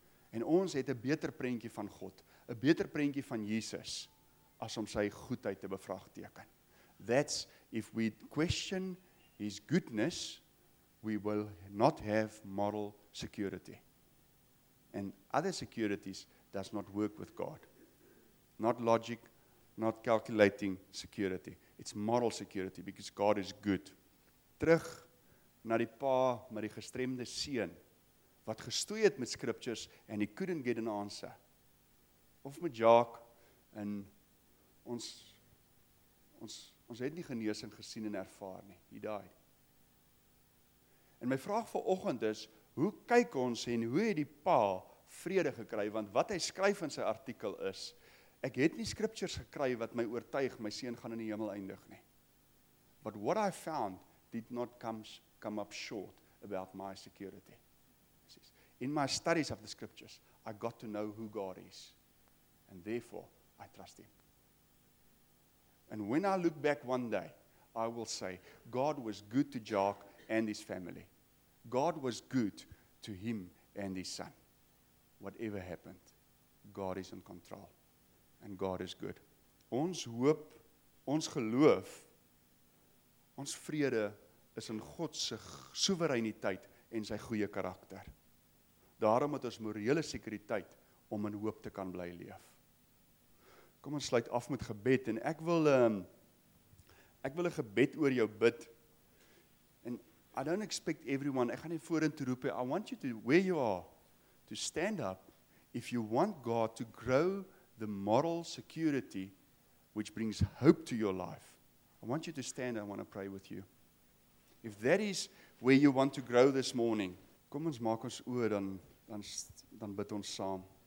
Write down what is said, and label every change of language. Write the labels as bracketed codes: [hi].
[af] En ons het 'n beter prentjie van God, 'n beter prentjie van Jesus, as om sy goedheid te bevraagteken. [en] That's if we question his goodness, we will not have moral security. And other securities does not work with God. Not logic, not calculating security. It's moral security because God is good. [af] Terug na die pa met die gestremde seun, wat gestoei het met scriptures [en] and he couldn't get an answer. [af] Of met Jacques in ons het nie genesing gesien en ervaar nie. [en] He died. [af] En my vraag vir oggend is, hoe kyk ons en hoe het die pa vrede gekry? Want wat hy skryf in sy artikel is, ek het nie scriptures gekry wat my oortuig, my seun gaan in die hemel eindig nie. [en] But what I found did not come up short about my security. In my studies of the scriptures, I got to know who God is. And therefore, I trust him. And when I look back one day, I will say, God was good to Jacques and his family. God was good to him and his son. Whatever happened, God is in control. And God is good. [af] Ons hoop, ons geloof, ons vrede is in God se soewereiniteit en sy goeie karakter. Daarom het ons morele sekuriteit om in hoop te kan bly leef. Kom ons sluit af met gebed en ek wil 'n gebed oor jou bid. [en] And I don't expect everyone, [af] ek gaan nie vorentoe roep, [en] I want you to, where you are, to stand up if you want God to grow the moral security which brings hope to your life. I want you to stand and I want to pray with you. If that is where you want to grow this morning, [af] kom ons maak ons oor, dan bid ons saam.